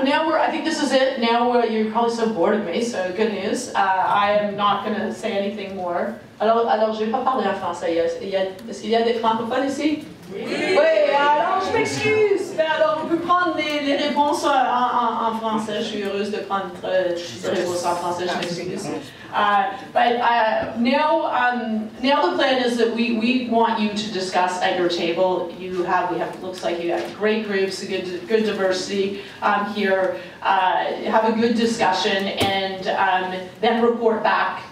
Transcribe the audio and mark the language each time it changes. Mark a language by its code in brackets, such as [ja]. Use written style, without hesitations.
[en] So you're probably so bored of me, so good news. I am not going to say anything more. [fr] Alors, je ne vais pas parler en français. Est-ce qu'il y a des francophones ici? Oui! Alors, je m'excuse! Mais alors, on peut prendre les réponses en français. Je suis heureuse de prendre les réponses en français. Je m'excuse. [en] But now the plan is that we want you to discuss at your table. We have it looks like you have great groups, a good diversity here. Have a good discussion and then report back.